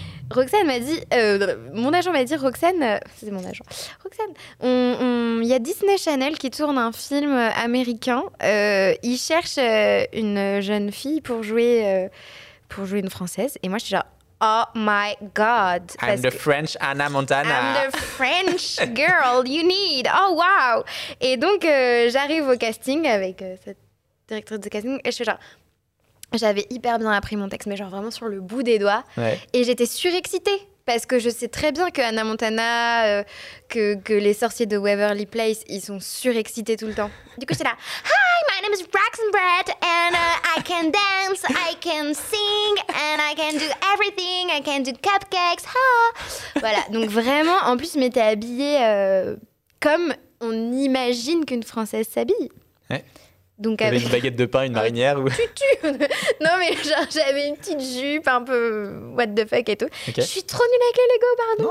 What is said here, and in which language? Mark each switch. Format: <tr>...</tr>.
<fr>Roxane m'a dit, mon agent m'a dit, Roxane, c'est mon agent, Roxane, il y a Disney Channel qui tourne un film américain. Ils cherchent une jeune fille pour jouer une française. Et moi, je suis genre,</fr> <en>oh my god. I'm the French Anna Montana. I'm the French girl you need. Oh wow.</en> <fr>Et donc j'arrive au casting avec cette directrice de casting et je suis genre, j'avais hyper bien appris mon texte, mais genre vraiment sur le bout des doigts. Ouais. Et j'étais surexcitée parce que je sais très bien que Anna Montana, que les sorciers de Waverly Place, ils sont surexcités tout le temps. Du coup, j'étais là.</fr> <en>My name is Braxton Brett and I can dance, I can sing and I can do everything, I can do cupcakes, ha!</en> <fr>Voilà, donc vraiment, en plus, je m'étais habillée comme on imagine qu'une Française s'habille. Ouais. Donc, t'avais une baguette de pain, une marinière ou... Tutu. Non mais genre, j'avais une petite jupe un peu</fr> <en>what the fuck</en> <fr>et tout. Okay. Je suis trop nulle avec les Lego, pardon.</fr>